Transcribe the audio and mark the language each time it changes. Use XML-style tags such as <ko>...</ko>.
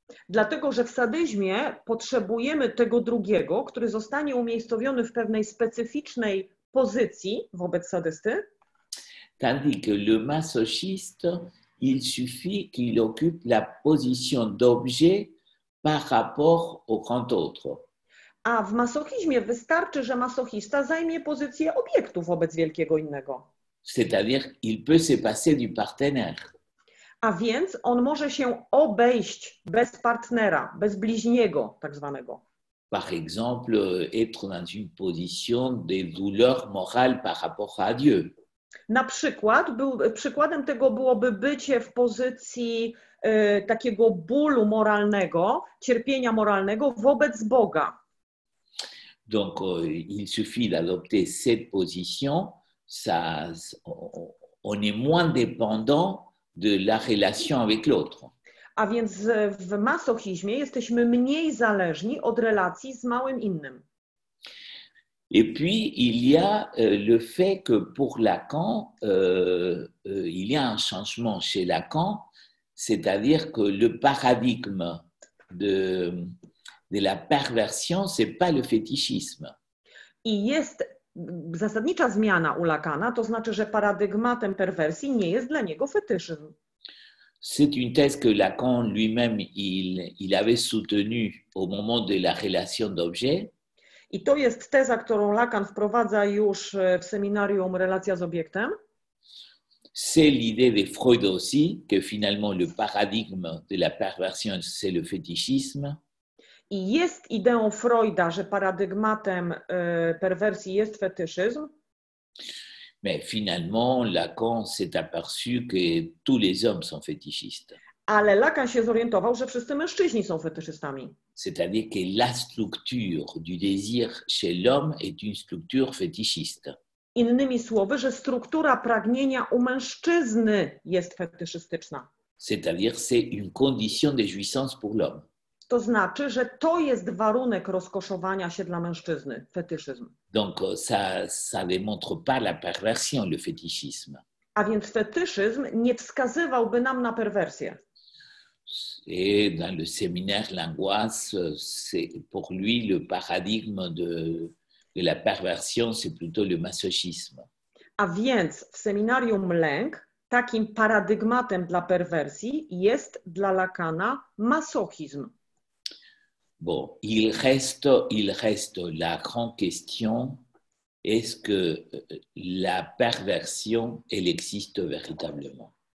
<pl>Dlatego, że w sadyzmie potrzebujemy tego drugiego, który zostanie umiejscowiony w pewnej specyficznej pozycji wobec sadysty.</pl> <fr>tandis que le masochiste, il suffit qu'il occupe la position d'objet par rapport au grand autre.</fr> <pl>A w masochizmie wystarczy, że masochista zajmie pozycję obiektu wobec wielkiego innego.</pl> <fr>C'est-à-dire, il peut se passer du partenaire.</fr> <pl>A więc on może się obejść bez partnera, bez bliźniego tak zwanego.</pl> <fr>Par exemple, être dans une position de douleur morale par rapport à Dieu.</fr> <pl>Na przykład, przykładem tego byłoby bycie w pozycji takiego bólu moralnego, cierpienia moralnego wobec Boga.</pl> <fr>Donc, il suffit d'adopter cette position, ça, on est moins dépendant de la relation avec l'autre.</fr> <pl>A więc w masochizmie jesteśmy mniej zależni od relacji z małym innym.</pl> <fr>Et puis, il y a le fait que pour Lacan, il y a un changement chez Lacan, c'est-à-dire que le paradigme de la perversion, ce n'est pas le fétichisme.</fr> <pl>I jest zasadnicza zmiana u Lacana, to znaczy, że paradygmatem perwersji nie jest dla niego fetyszyzm.</pl> <fr>C'est une thèse que Lacan lui-même il avait soutenue au moment de la relation d'objet.</fr> <pl>I to jest teza, którą Lacan wprowadza już w seminarium Relacja z obiektem.</pl> <fr>C'est l'idée de Freud aussi que finalement le paradigme de la perversion c'est le fétichisme.</fr> <pl>I jest ideą Freuda, że paradygmatem perwersji jest fetyszyzm.</pl> <fr>Mais finalement, Lacan s'est aperçu que tous les hommes sont fétichistes.</fr> <pl>Ale Lacan się zorientował, że wszyscy mężczyźni są fetyszystami.</pl> <fr>C'est-à-dire que la structure du désir chez l'homme est une structure fétichiste.</fr> <pl>Innymi słowy, że struktura pragnienia u mężczyzny jest fetyszystyczna.</pl> <fr>C'est-à-dire que c'est une condition de jouissance pour l'homme.</fr> <pl>To znaczy, że to jest warunek rozkoszowania się dla mężczyzny, fetyszyzm.</pl> <fr>Donc ça démontre pas la perversion, le fétichisme.</fr> <pl>A więc fetyszyzm nie wskazywałby nam na perwersję.</pl> <fr>Et dans le séminaire l'angoisse, c'est pour lui le paradigme de la perversion, c'est plutôt le masochisme.</fr> <pl>A więc w seminarium lęk takim paradygmatem dla perwersji jest dla Lacana masochizm.</pl> <fr>Bon, il reste la grande question, est-ce que la perversion, elle existe véritablement?</fr>